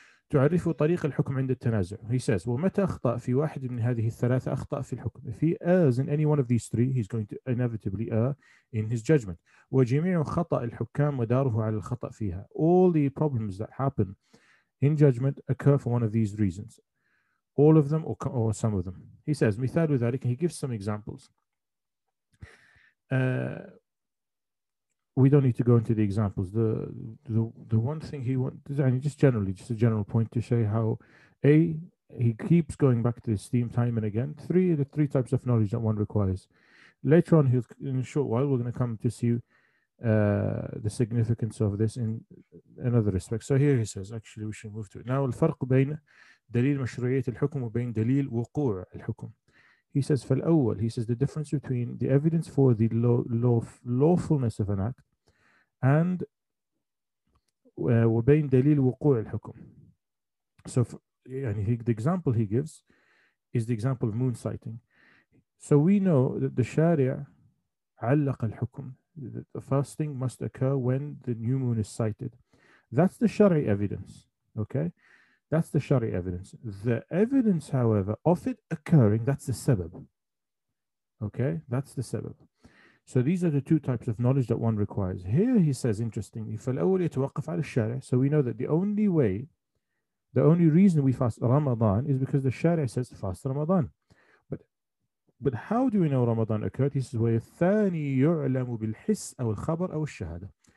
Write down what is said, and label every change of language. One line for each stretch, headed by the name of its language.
Arabic: تعرف طريق الحكم عند التنازع.
English: He says,
Arabic: ومتى أخطأ في واحد من هذه الثلاثة أخطأ في الحكم.
English: If he errs in any one of these three, he's going to inevitably err in his judgment.
Arabic: وجميع خطأ الحكام وداره على الخطأ فيها.
English: All the problems that happen in judgment occur for one of these reasons. All of them or some of them. He says,
Arabic: مثال ذلك.
English: He gives some examples. We don't need to go into the examples. The one thing he wants, just a general point to show how, A, he keeps going back to this theme time and again. The three types of knowledge that one requires. Later on, in a short while, we're going to come to see the significance of this in other respects. So here he says, actually, we should move to it.
Arabic: Now, الفرق بين دليل مشروعية الحكم وبين دليل وقوع الحكم.
English: He says, فالأول, he says, the difference between the evidence for the lawfulness of an act and
Arabic: وَبَيْنْ دَلِيلُ وَقُوعِ الْحُكُمِ.
English: So the example he gives is the example of moon sighting. So we know that the sharia
Arabic: عَلَّقَ الْحُكُمِ,
English: that the fasting must occur when the new moon is sighted. That's the shari evidence, okay? That's the shari evidence. The evidence, however, of it occurring, that's the sabab. Okay, that's the sabab. So these are the two types of knowledge that one requires. Here he says, interestingly,
Arabic: فَالْأَوَلْ يَتَوَقَّفْ عَلَى الشَّارِعِ.
English: So we know that the only way, the only reason we fast Ramadan is because the shari' says fast Ramadan. But how do we know Ramadan occurred? He says,
Arabic: وَيَثَّانِي يُعْلَمُ بِالْحِسْ أَوْ الْخَبَرْ أَوْ الشَّهَادَ.